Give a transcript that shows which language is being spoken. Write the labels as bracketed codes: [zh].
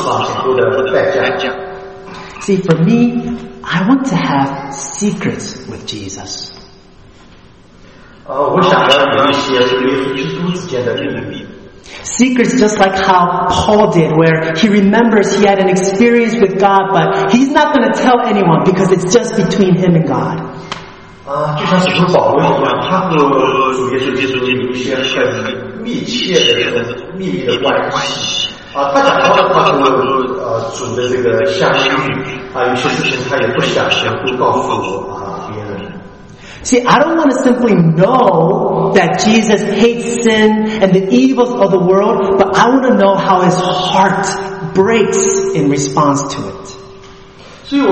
[zh] 我们也不能少少提到他对我身上的罪所产生的愤怒的情绪，或者是说他为了解决我的罪而付上很多的代价。 [en] See, for me, I want to have secrets with Jesus. [zh] 我想要有一些与耶稣基督之间的秘密。 [en] Secrets just like how Paul did, where he remembers he had an experience with God, but he's not going to tell anyone because it's just between him and God. [zh] 就像使徒保罗一样，他和主耶稣基督有一些很密切的关系。他讲到他和主的这个相遇，有些事情他也不想全部告诉别人。 [en] See, I don't want to simply know that Jesus hates sin and the evils of the world, but I want to know how his heart breaks in response to it.